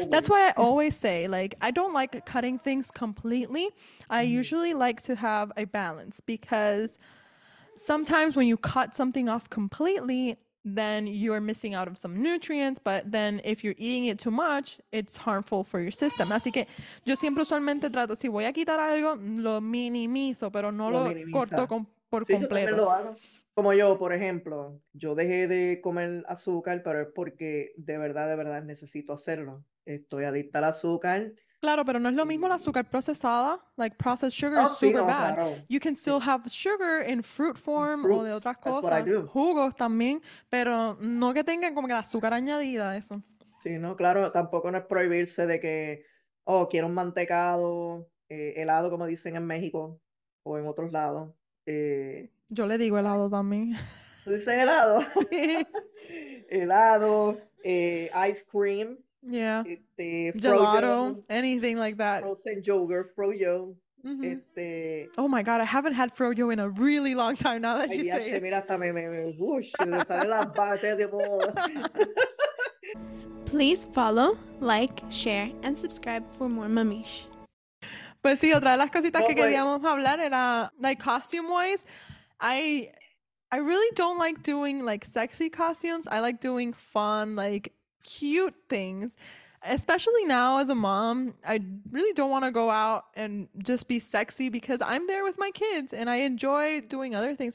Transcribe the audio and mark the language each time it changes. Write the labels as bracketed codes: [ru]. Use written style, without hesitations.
[en] That's why I always say, like, I don't like cutting things completely. I usually like to have a balance, because sometimes when you cut something off completely, then you're missing out of some nutrients, but then if you're eating it too much, it's harmful for your system. [es] Así que yo siempre usualmente trato, si voy a quitar algo, lo minimizo, pero no lo corto por completo. Sí, yo también lo hago. Como yo, por ejemplo, yo dejé de comer azúcar, pero es porque de verdad necesito hacerlo. Estoy adicta al azúcar. Claro, pero no es lo mismo el azúcar procesada. [en] Like, processed sugar is super bad. [es] Claro. [en] You can still have sugar in fruit form. Fruits, [es] o de otras cosas. Jugos también, pero no que tengan como que el azúcar añadida, eso. Sí, no, claro, tampoco no es prohibirse de que, quiero un mantecado, helado, como dicen en México o en otros lados. Yo le digo helado también. ¿Dicen helado? Helado, ice cream. [en] Yeah. [es] Este, [en] gelato, anything like that. Frozen yogurt, froyo. Mm-hmm. Oh my God, I haven't had froyo in a really long time now that you say it. [es] Mira, hasta me whoosh, me sale la base de bola. [en] Please follow, like, share, and subscribe for more Mamish. [es] Pues sí, otra de las cositas que queríamos hablar era, [en] like, costume-wise. I really don't like doing, like, sexy costumes. I like doing fun, like, cute things. Especially now as a mom, I really don't want to go out and just be sexy, because I'm there with my kids and I enjoy doing other things.